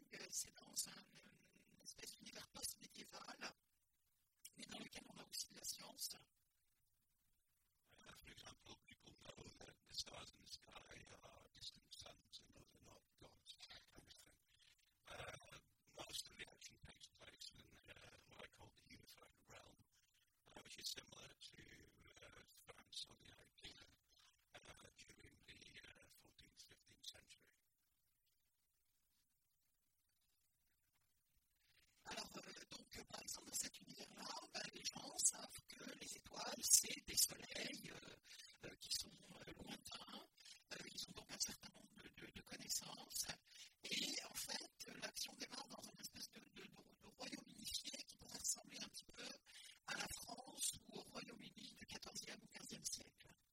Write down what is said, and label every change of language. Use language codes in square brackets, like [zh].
[fr] c'est dans une espèce d'univers post-médiéval, mais dans lequel on a aussi de la science. [en] For example, people know that the stars in the sky are distant suns, and those are not gods, that kind of thing. Most of the action takes place in what I call the unified realm, which is similar to France on the idea during the 14th, 15th century. [fr] Donc, par exemple, dans cet univers-là, ben, les gens savent que les étoiles, c'est des soleils qui sont lointains, ils ont donc un certain nombre de connaissances, et en fait, l'action démarre dans une espèce de royaume unifié qui pourrait ressembler un petit peu à la France ou au Royaume-Uni du XIVe ou XVe siècle.